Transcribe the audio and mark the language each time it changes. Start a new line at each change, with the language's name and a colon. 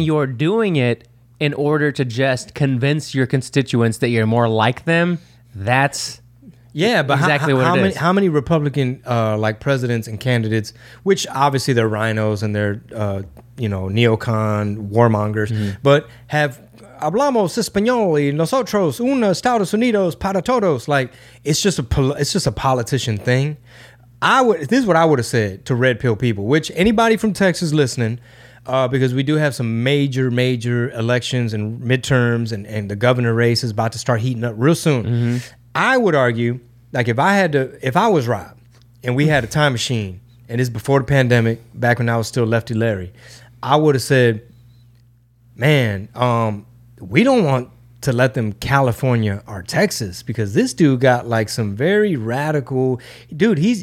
English: When you're doing it in order to just convince your constituents that you're more like them, that's exactly what it is. How many Republican like presidents and candidates, which obviously they're rhinos and they're neocon warmongers, mm-hmm. but have...
Spanish: Hablamos español y nosotros una Estados Unidos para todos.
English: Like, it's just a politician thing. This is what I would have said to red pill people, which anybody from Texas listening, because we do have some major elections and midterms and the governor race is about to start heating up real soon. Mm-hmm. I would argue, like, if I was Rob and we had a time machine and it's before the pandemic, back when I was still Lefty Larry, I would have said, man, we don't want to let them California or Texas, because this dude got like some very radical dude.